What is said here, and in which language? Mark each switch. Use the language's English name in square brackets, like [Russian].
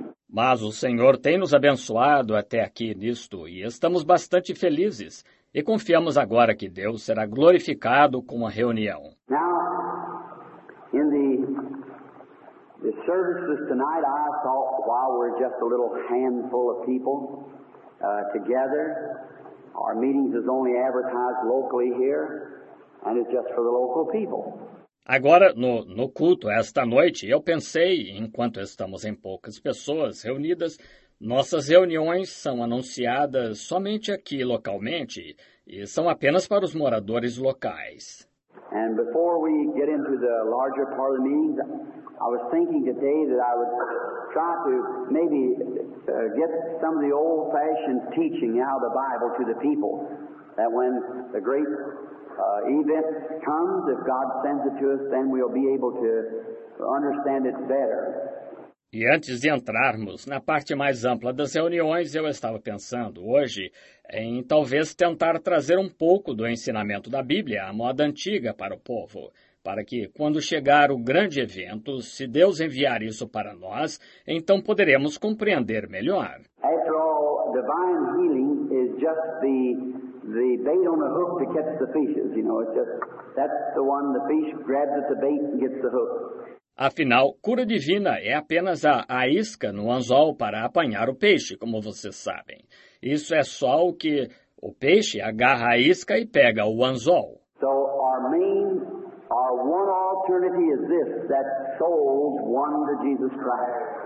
[Portuguese] Mas o Senhor tem nos abençoado até aqui nisto e estamos bastante felizes e confiamos agora que Deus será glorificado com a reunião. [English] Now, in the services tonight, I thought while we're just a little handful of people together, our meetings is only advertised locally here. And it's just for the local people. [Portuguese] Agora, no culto, esta noite, eu pensei, enquanto estamos em poucas pessoas reunidas, nossas reuniões são anunciadas somente aqui localmente e são apenas para os moradores locais. [English] And before we get into the larger part of the meetings, I was thinking today that I would try to maybe get some of the old-fashioned teaching out of the Bible to the people, that when the great event comes, if God sends it to us, then we'll be able to understand it better. [Portuguese] E antes de entrarmos na parte mais ampla das reuniões, eu estava pensando hoje em talvez tentar trazer um pouco do ensinamento da Bíblia à moda antiga para o povo, para que, quando chegar o grande evento, se Deus enviar isso para nós, então poderemos compreender melhor. [English] After all, divine healing is just the bait on the hook to catch the fishes, you know, it's just, that's the one the fish grabs at the bait and gets the hook. [Portuguese] Afinal, cura divina é apenas a isca no anzol para apanhar o peixe, como vocês sabem. Isso é só o que o peixe agarra a isca e pega o anzol. [English] So our main, our one alternative is this, that souls won to Jesus Christ.